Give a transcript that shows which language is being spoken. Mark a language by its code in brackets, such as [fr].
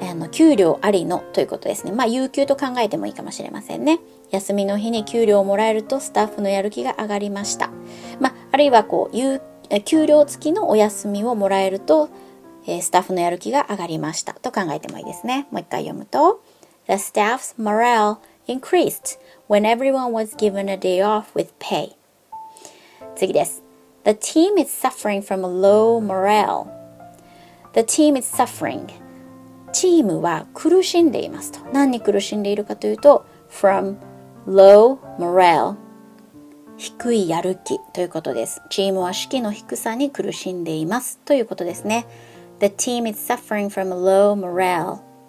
[ja] 給料ありのということですね。まあ、有給と考えてもいいかもしれませんね。休みの日に給料をもらえるとスタッフのやる気が上がりました。まあ、あるいはこう給料付きのお休みをもらえると、スタッフのやる気が上がりましたと考えてもいいですね。もう一回読むと、 [en] The staff's morale increased when everyone was given a day off with pay. [ja] 次です。 [en] The team is suffering from a low morale. The team is suffering. [ja] チームは苦しんでいますと。何に苦しんでいるかというと、 [en] from low morale [ja] 低いやる気ということです。チームは士気の低さに苦しんでいますということですね。 [en] The team is suffering from low morale.